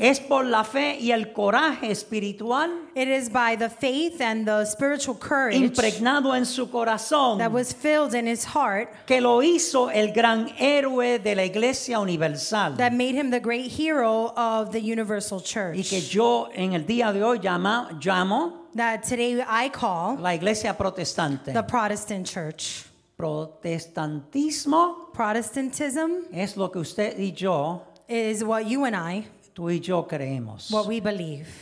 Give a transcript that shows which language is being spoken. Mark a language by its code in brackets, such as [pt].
[es] es por la fe y el coraje espiritual, [en] it is by the faith and the spiritual courage [es] impregnado en su corazón, [en] that was filled in his heart, [es] que lo hizo el gran héroe de la Iglesia Universal, [en] that made him the great hero of the Universal Church, [es] y que yo en el día de hoy llamo [en] that today I call [es] la Iglesia Protestante, [en] the Protestant Church. [es] Protestantismo [en] Protestantism [es] es lo que usted y yo [en] is what you and I [es] tú y yo creemos [en] what we believe.